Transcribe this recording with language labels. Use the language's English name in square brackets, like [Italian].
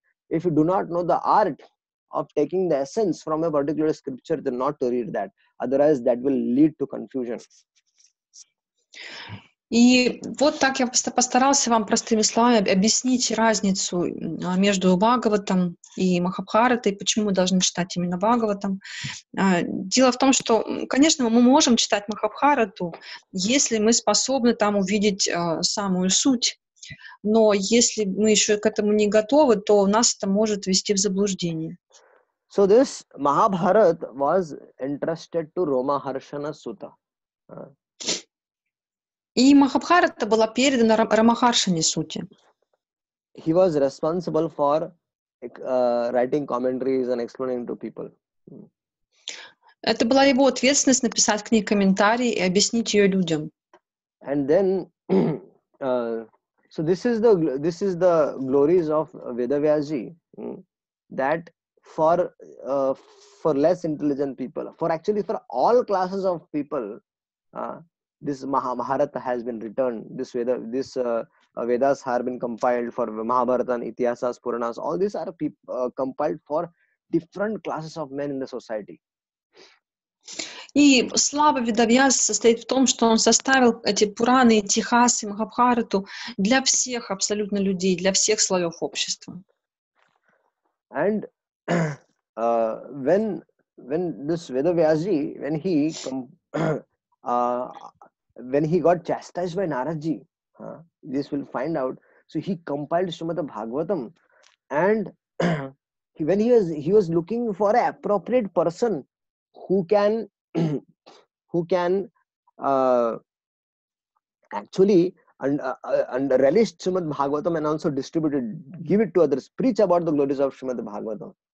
[English] If you do not know the art of taking the essence from a particular scripture, then not to read that. Otherwise, that will lead to confusion. [Russian] И вот так я постарался вам простыми словами объяснить разницу между Бхагаватом и Махабхаратой, почему мы должны читать именно Бхагаватом. Дело в том, что, конечно, мы можем читать Махабхарату, если мы способны там увидеть самую суть. Но если мы еще к этому не готовы, то нас это может ввести в заблуждение. [English] So this Mahabharat was entrusted to Roma Harshana Sutta. [Russian] И Махабхарата была передана Рамахаршане Сути. [English] He was responsible for writing commentaries and explaining to people. [Russian] Это была его ответственность написать к ней комментарии и объяснить ее людям. [English] And then so this is the glories of Vedavyasji, that for less intelligent people, for all classes of people, this Mahabharata has been written. Vedas have been compiled for Mahabharata, Itihasas, Puranas. All these are compiled for different classes of men in the society. [Russian] И слава Ведавьяса состоит в том, что он составил эти Пураны, Итихасы, Махабхарату для всех абсолютно людей, для всех слоев общества. [English] And when this Vedavyasi, when he got chastised by Naraji, this will find out. So he compiled Srimad Bhagavatam, and when he was looking for an appropriate person who can actually relish Srimad Bhagavatam and also distribute it, give it to others, preach about the glories of Srimad Bhagavatam.